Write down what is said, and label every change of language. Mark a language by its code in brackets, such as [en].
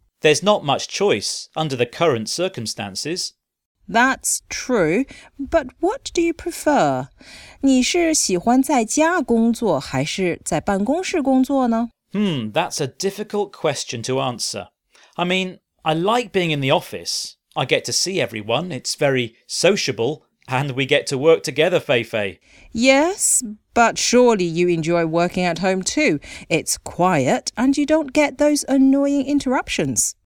[en] There's not much choice under the current circumstances. That's true, but what do you prefer? [zh] 你是喜欢在家工作还是在办公室工作呢？ [en] That's a difficult question to answer. I mean, I like being in the office. I get to see everyone, it's very sociable, and we get to work together, Feifei. Yes, but surely you enjoy working at home too. It's quiet, and you don't get those annoying interruptions.